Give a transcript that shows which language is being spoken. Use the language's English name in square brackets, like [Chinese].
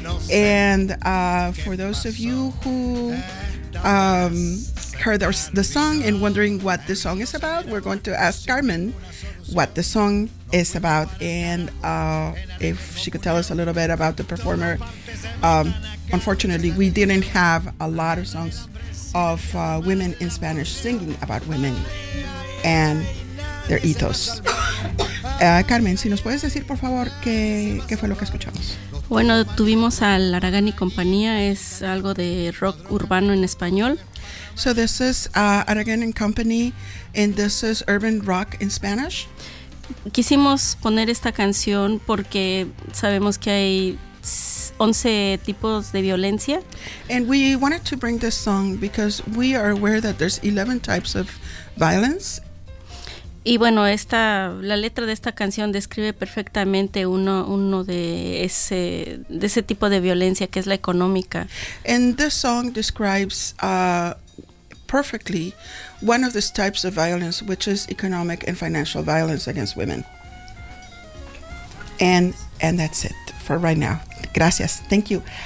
[English] And for those of you who heard the song and wondering what the song is about, we're going to ask Carmen what the song is about and if she could tell us a little bit about the performer. Unfortunately, we didn't have a lot of songs of women in Spanish singing about women and their ethos. [Spanish] Carmen, si nos puedes decir, por favor, qué fue lo que escuchamos. Bueno, tuvimos a Aragán y Compañía, es algo de rock urbano en español. [English] So this is Aragán and Company, and this is urban rock in Spanish. [Spanish] Quisimos poner esta canción porque sabemos que hay 11 tipos de violencia. [English] And we wanted to bring this song because we are aware that there's 11 types of violence. [Spanish] Y bueno, la letra de esta canción describe perfectamente uno de ese tipo de violencia que es la económica. [English] And this song describes perfectly one of these types of violence, which is economic and financial violence against women. And that's it for right now. [Spanish] Gracias. [English] Thank you.